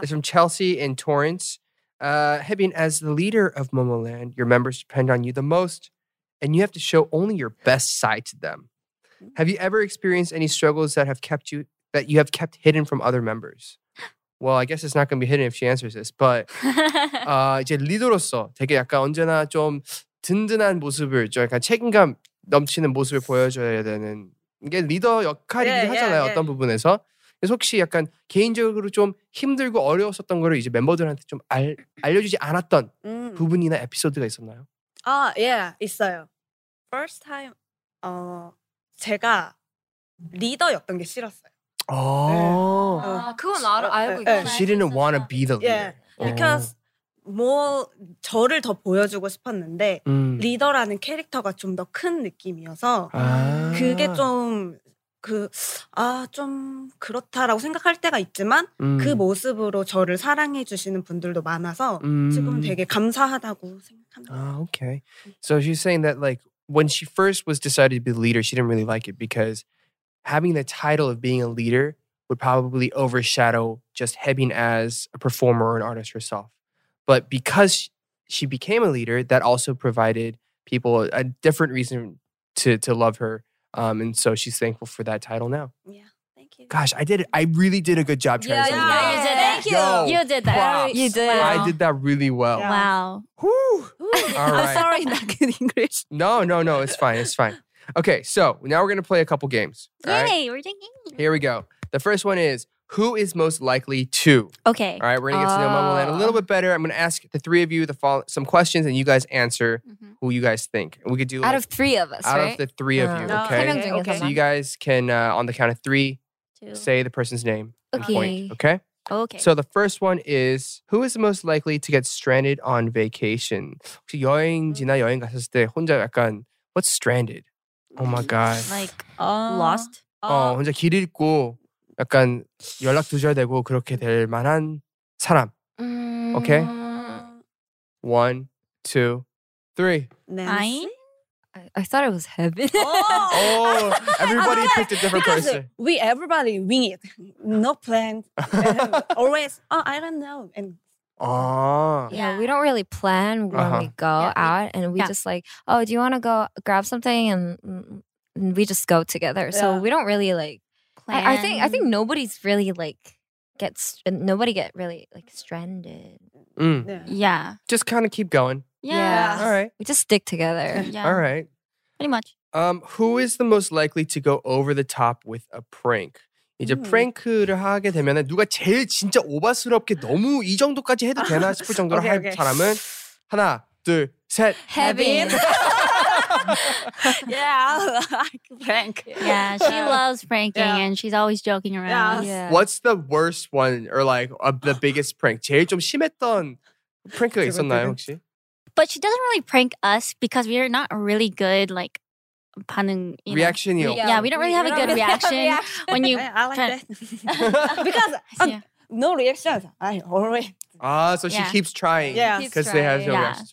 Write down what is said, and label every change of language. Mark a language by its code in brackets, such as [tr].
[en] It's from Chelsea in Torrance. Hebin, as the leader of Momoland, your members depend on you the most, and you have to show only your best side to them. Have you ever experienced any struggles that have kept you that you have kept hidden from other members? Well, I guess it's not going to be hidden if she answers this. [ko] But 이제 리더로서 되게 약간 언제나 좀 든든한 모습을 좀 약간 책임감 넘치는 모습을 보여줘야 되는 이게 리더 역할이긴 하잖아요 어떤 부분에서. 그래서 혹시 약간 개인적으로 좀 힘들고 어려웠었던 거를 이제 멤버들한테 좀 알려주지 않았던 부분이나 에피소드가 있었나요? 아, 예. 있어요. [en] First time [ko] 제가 리더였던 게 싫었어요. 오. 네. 아, 그건 알고 있어요. [en] She didn't want to be the leader. Yeah. [ko] Because 뭐 저를 더 보여주고 싶었는데 리더라는 캐릭터가 좀 더 큰 느낌이어서 그게 좀… 그, 아, 좀 그렇다라고 생각할 때가 있지만 그 모습으로 저를 사랑해 주시는 분들도 많아서 지금 되게 감사하다고 생각합니다. [en] 아, okay. So she's saying that like when she first was decided to be the leader, she didn't really like it because having the title of being a leader would probably overshadow just having as a performer or an artist herself. But because she became a leader, that also provided people a different reason to love her. And so she's thankful for that title now. Yeah, thank you. Gosh, I really did a good job translating. Yeah, you did it. Thank you. Yo, you did that. Props. You did. I did that really well. Yeah. Wow. Woo. All right. I'm sorry, not good English. No. It's fine. Okay, so now we're going to play a couple games. Yay, right? We're doing games. Here we go. The first one is, who is most likely to? Okay. All right, we're going to get to know Momoland a little bit better. I'm going to ask the three of you some questions and you guys answer who you guys think. We could do out of three of us, out of the three of you, okay? Okay. So you guys can, on the count of three, say the person's name. Okay. Point, okay? Okay. So the first one is, who is most likely to get stranded on vacation? [ko] 혹시 여행지나 여행 갔을 때 혼자 약간… [en] What's stranded? Oh my God. Like, lost? [ko] 혼자 길 잃고… 약간 연락 두절 되고 그렇게 될 만한 사람. [en] Okay? One, two, three. Nine? I thought it was Heaven. Oh, everybody picked a different because person. We everybody wing it. No plan. Always, I don't know. And Yeah, we don't really plan when we go out. And we just like, oh, do you want to go grab something? And we just go together. Yeah. So we don't really like… plan. I think nobody's really like… Nobody gets really stranded. Mm. Yeah. Yeah. Just kind of keep going. Yeah. All right. We just stick together. Yeah. All right. Pretty much. Who is the most likely to go over the top with a prank? [ko] 이제 프랭크를 하게 되면 누가 제일 진짜 오바스럽게 너무 이 정도까지 해도 되나 싶을 정도로 할 사람은 하나, 둘, 셋. [en] Heaven. Yeah, I like prank. Yeah, she loves pranking and she's always joking around. Yeah. What's the worst one or like the biggest prank? [ko] 제일 좀 심했던 프랭크가 있었나요 혹시? [en] But she doesn't really prank us because we are not really good like… 반응, reaction. Yeah. Yeah, we don't really have a good reaction. When you… I like that. Because no reactions. I always… Ah, so she keeps trying. Yeah. Because they have no reactions.